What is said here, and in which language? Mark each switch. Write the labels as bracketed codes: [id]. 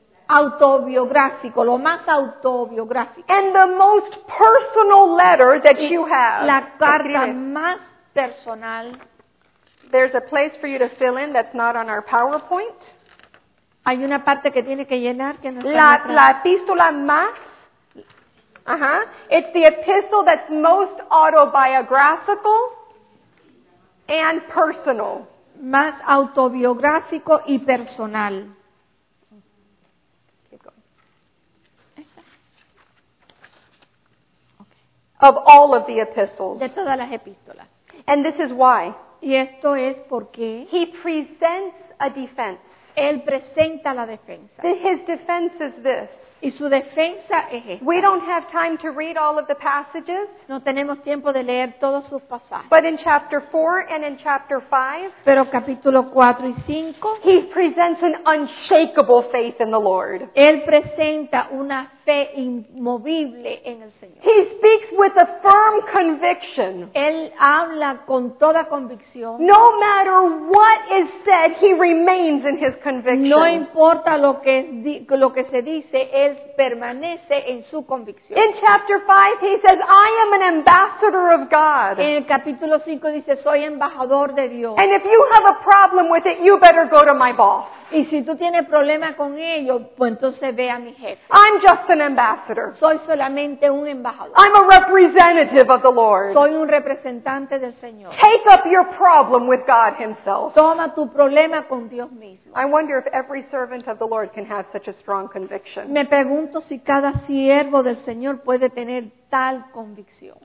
[es] Autobiográfico, lo más autobiográfico. [en] And the most personal letter that you have. [es] La carta más personal. [en] There's a place for you to fill in that's not on our PowerPoint. [es] Hay una parte que tiene que llenar que no está. La epístola más. [en] It's the epistle that's most autobiographical and personal. [es] Más autobiográfico y personal. [en] Of all of the epistles. [es] De todas las epístolas. [en] And this is why. [es] Y esto es porque [en] he presents a defense. [es] Él presenta la defensa. [en] His defense is this. [es] Y su defensa es esta. [en] We don't have time to read all of the passages. [es] No tenemos tiempo de leer todos sus pasajes. [en] But in chapter 4 and in chapter 5, [es] pero capítulo 4 y 5, [en] he presents an unshakable faith in the Lord. [es] Él presenta una fe inmovible en el Señor. [en] He speaks with a firm conviction. [es] Él habla con toda convicción. [en] No matter what is said, he remains in his conviction. [es] No importa lo que se dice, él permanece en su convicción. [en] In chapter 5, he says, "I am an ambassador of God." [es] En el capítulo 5 dice, "Soy embajador de Dios." [en] And if you have a problem with it, you better go to my boss. [es] Y si tú tienes problema con ello, pues entonces ve a mi jefe. [en] I'm just an an ambassador. [es] Soy solamente un embajador. [en] I'm a representative of the Lord. [es] Soy un representante del Señor. [en] Take up your problem with God himself. [es] Toma tu problema con Dios mismo. [en] I wonder if every servant of the Lord can have such a strong conviction. [es] Me pregunto si cada siervo del Señor puede tener tal convicción.